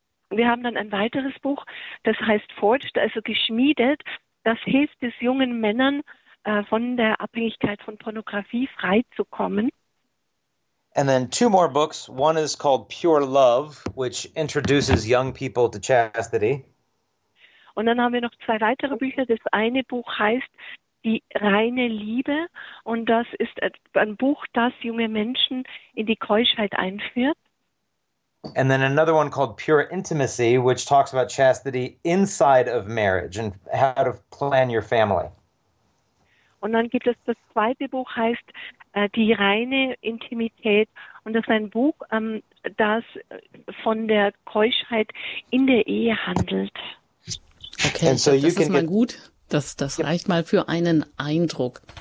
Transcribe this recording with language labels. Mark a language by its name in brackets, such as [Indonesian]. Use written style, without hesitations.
[German] Wir haben dann ein weiteres Buch, das heißt Forged, also geschmiedet. Das hilft es jungen Männern, von der Abhängigkeit von Pornografie freizukommen. [English] And then 2 more books. One is called Pure Love, which introduces young people to chastity. [German] Und dann haben wir noch 2 weitere Bücher. Das eine Buch heißt Die reine Liebe. Und das ist ein Buch, das junge Menschen in die Keuschheit einführt. [English] And then another one called Pure Intimacy, which talks about chastity inside of marriage and how to plan your family. [German] Und dann gibt es das zweite Buch, heißt Die reine Intimität. Und das ist ein Buch, das von der Keuschheit in der Ehe handelt. Okay, so das ist mal gut. Das reicht mal für einen Eindruck.